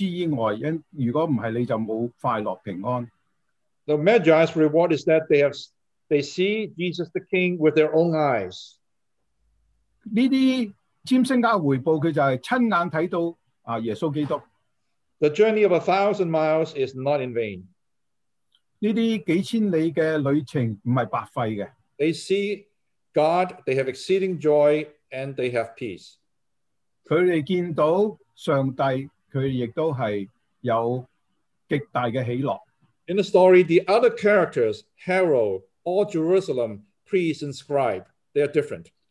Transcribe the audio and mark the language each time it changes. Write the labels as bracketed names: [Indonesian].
[Cantonese] 其实就唔好将耶稣除之以外，如果唔系你就冇快乐平安。 [English] The Magi's reward is that they see Jesus the King with their own eyes. [Cantonese] 呢啲占星家回报佢就系亲眼睇到耶稣基督。 [English] The journey of 1,000 miles is not in vain. [Cantonese] 呢啲几千里嘅旅程唔系白费嘅。They [English] see God, they have exceeding joy and they have peace. [Cantonese] 佢哋见到上帝，佢哋亦都系有极大嘅喜乐。 [English] In the story, the other characters, Herod, all Jerusalem, priests and scribe, they are different.